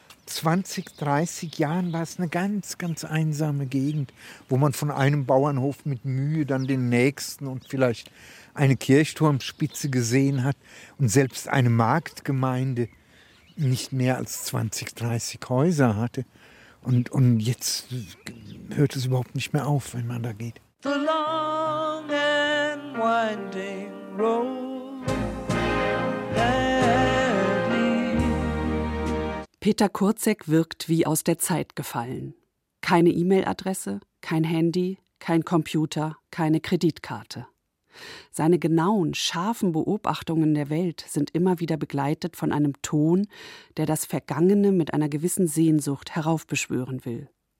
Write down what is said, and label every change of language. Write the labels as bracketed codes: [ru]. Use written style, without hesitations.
[de] 20, 30 Jahren war es eine ganz, ganz einsame Gegend, wo man von einem Bauernhof mit Mühe dann den nächsten und vielleicht eine Kirchturmspitze gesehen hat und selbst eine Marktgemeinde nicht mehr als 20, 30 Häuser hatte. Und jetzt hört es überhaupt nicht mehr auf, wenn man da geht. [en] The long and winding road that leads. [de] Peter Kurzeck wirkt wie aus der Zeit gefallen. Keine E-Mail-Adresse, kein Handy, kein Computer, keine Kreditkarte. Seine genauen, scharfen Beobachtungen der Welt sind immer wieder begleitet von einem Ton, der das Vergangene mit einer gewissen Sehnsucht heraufbeschwören will.